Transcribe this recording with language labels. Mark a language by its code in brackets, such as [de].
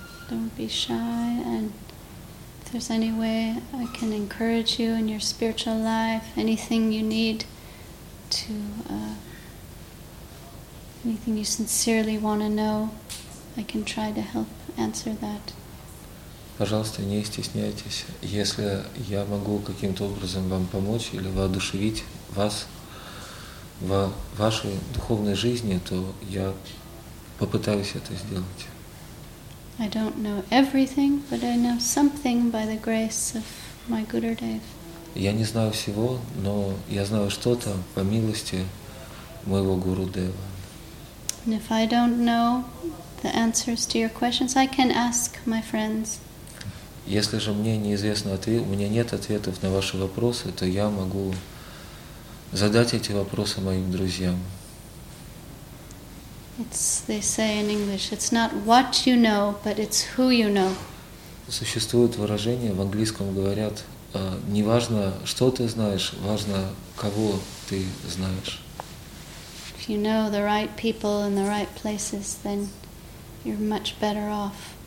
[en] Don't be shy, and if there's any way I can encourage you in your spiritual life, anything you need to anything you sincerely want to know, I can try to help answer that. [ru] Пожалуйста, не стесняйтесь. Если я могу каким-то образом вам помочь или воодушевить вас в вашей духовной жизни, то я попытаюсь это сделать. [en] I don't know everything, but I know something by the grace of my Gurudev. [ru] Я не знаю всего, но я знаю что-то по милости моего Гурудева. [en] And if I don't know the answers to your questions, I can ask my friends. [ru] Если же мне неизвестно ответ, у меня нет ответов на ваши вопросы, то я могу задать эти вопросы моим друзьям. [en] It's, they say in English, it's not what you know, but it's who you know. [ru] Существует выражение, в английском говорят, не важно, что ты знаешь, важно, кого ты знаешь. [en] If you know the right people in the right places, then you're much better off.